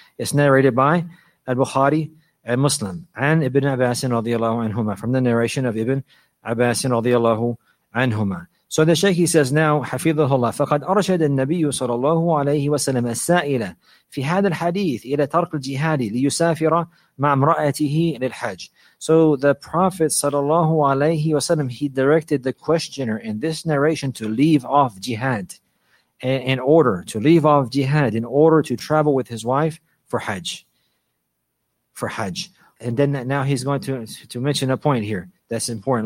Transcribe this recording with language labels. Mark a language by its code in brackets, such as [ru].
[en] It's narrated by البخاري and Muslim. [ar] عن ابن عباس رضي الله عنهما. [en] From the narration of [ar] ابن عباس رضي الله عنهما. [en] So the Shaykh, he says now, [ar] حفظه الله, فقد أرشد النبي صلى الله عليه وسلم السائلة في هذا الحديث إلى ترك الجهاد ليسافر مع امرأته للحج. [en] So the Prophet [ar] صلى الله عليه وسلم, [en] he directed the questioner in this narration to leave off jihad. In order to leave off jihad, in order to travel with his wife for Hajj. For Hajj. And then now he's going to mention a point here that's important.